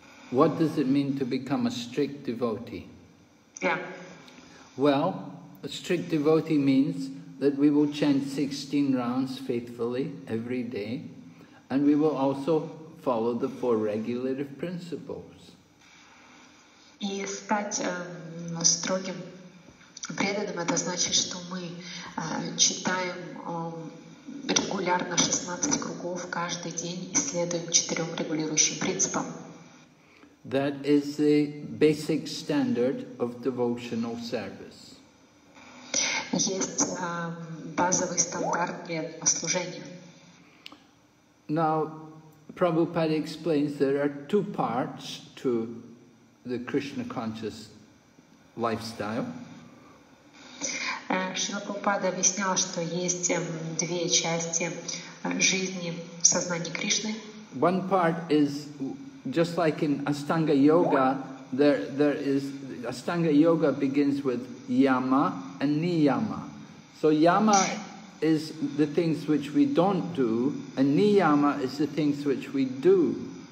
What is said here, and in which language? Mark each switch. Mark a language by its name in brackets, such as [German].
[English] What does it mean to become a strict devotee? Yeah. Well, a strict devotee means that we will chant 16 rounds faithfully every day, and we will also follow the four regulative principles. [Russian] И стать строгим преданным, это значит, что мы читаем регулярно 16 кругов каждый день и следуем четырем регулирующим принципам. [English] That is the basic standard of devotional service. [Russian] Есть базовый стандарт преданного служения. [English] Now, Prabhupada explains there are two parts to the Krishna conscious lifestyle. [Russian] Шрила Прабхупада объяснял, что есть две части жизни в сознании Кришны. [English] One part is just like in Astanga Yoga, there is Astanga Yoga begins with Yama and Niyama. So Yama is the things which we don't do, and Niyama is the things which we do.